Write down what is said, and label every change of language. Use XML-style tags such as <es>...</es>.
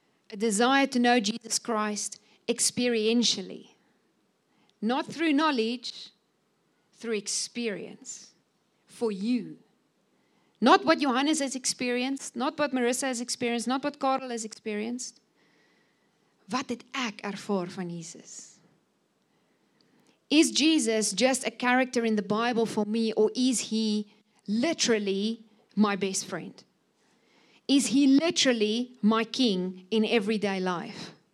<en>A desire to know Jesus Christ experientially. Not through knowledge, through experience. For you. Not what Johannes has experienced, not what Marissa has experienced, not what Carl has experienced.</en> <af>Wat het ek ervaar van Jesus?</af> <en>Is Jesus just a character in the Bible for me, or is he literally my best friend? Is he literally my king in everyday life?</en>